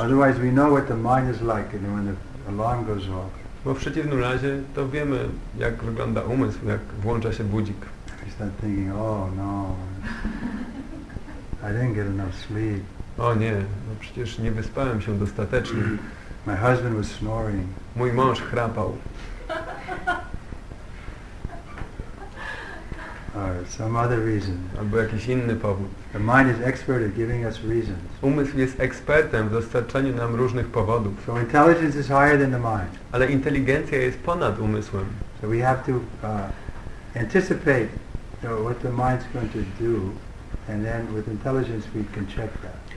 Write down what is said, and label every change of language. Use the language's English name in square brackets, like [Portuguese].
[English] Otherwise we know what the mind is like and when the alarm goes off. [Polish] Bo w przeciwnym razie to wiemy, jak wygląda umysł, jak włącza się budzik. [English] We start thinking, oh no, I didn't get enough sleep. [Polish] O nie, no przecież nie wyspałem się dostatecznie. [English] My husband was snoring. [Polish] Mój mąż chrapał. [English] Or some other reason. [Polish] Albo jakiś inny powód. [English] The mind is expert at giving us reasons. [Polish] Umysł jest ekspertem w dostarczaniu nam różnych powodów. [English] So intelligence is higher than the mind. [Polish] Ale inteligencja jest ponad umysłem. [English] So we have to anticipate what the mind's going to do, and then with intelligence we can check that.